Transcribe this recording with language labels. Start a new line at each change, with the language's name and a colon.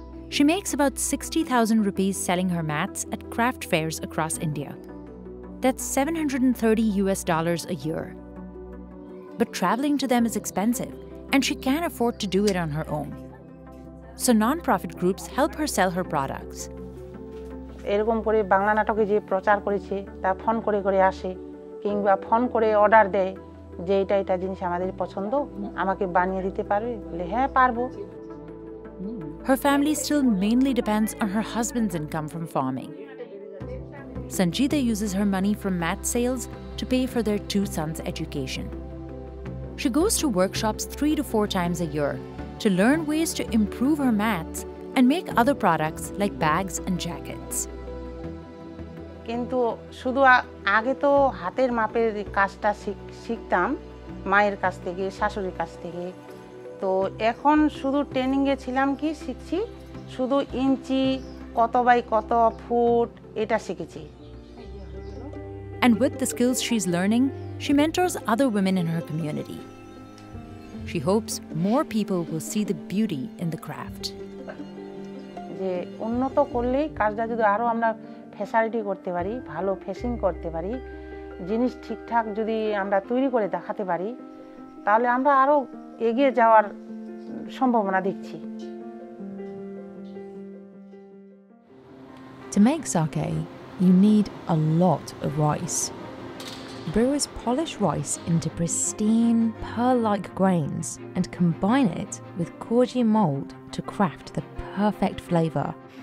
English: She makes about 60,000 rupees selling her mats at craft fairs across India. That's $730 a year. But traveling to them is expensive, and she can't afford to do it on her own. So nonprofit groups help her sell her products.
Bangla: এরকম করে বাংলা নাটকে যে প্রচার করেছে তা phone করে করে আসে কিংবা ফোন করে অর্ডার দেয় যে এটা এটা জিনিস আমাদের পছন্দ আমাকে বানিয়ে দিতে পারবে বলে হ্যাঁ পারবো
English: Her family still mainly depends on her husband's income from farming. Sanjita uses her money from mat sales to pay for their 2 sons' education. She goes to workshops 3 to 4 times a year to learn ways to improve her mats and make other products like bags and jackets.
Bangla: কিন্তু শুধু আগে তো হাতের মাপের কাজটা শিখতাম মায়ের কাছ থেকে শাশুড়ির কাছ থেকে তো এখন শুধু ট্রেনিং এ ছিলাম কি শিখছি শুধু ইঞ্চি কত বাই কত ফুট এটা শিখেছি
English: And with the skills she's learning, she mentors other women in her community. She hopes more people will see the beauty in the craft.
Bangla: যে উন্নত করলে কাজটা যদি আরো আমরা ফেসিলিটি করতে পারি ভালো ফেসিং করতে পারি জিনিস ঠিকঠাক যদি আমরা তৈরি করে দেখাতে পারি তাহলে আমরা আরো এগিয়ে যাওয়ার সম্ভাবনা দেখছি
English: To make sake, you need a lot of rice. Brewers polish rice into pristine, pearl-like grains and combine it with koji mold to craft the perfect flavor.